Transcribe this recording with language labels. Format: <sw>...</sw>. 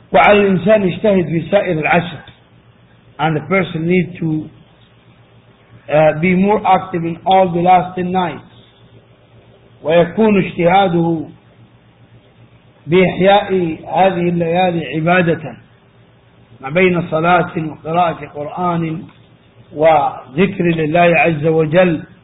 <ar>وعلى الإنسان يجتهد في سائر العشر.</ar> <en>And the person need to be more active in all the last 10 nights.</en> <ar>ويكون اجتهاده بإحياء هذه الليالي عبادة ما بين صلاة وقراءة قرآن وذكر لله عز وجل،</ar>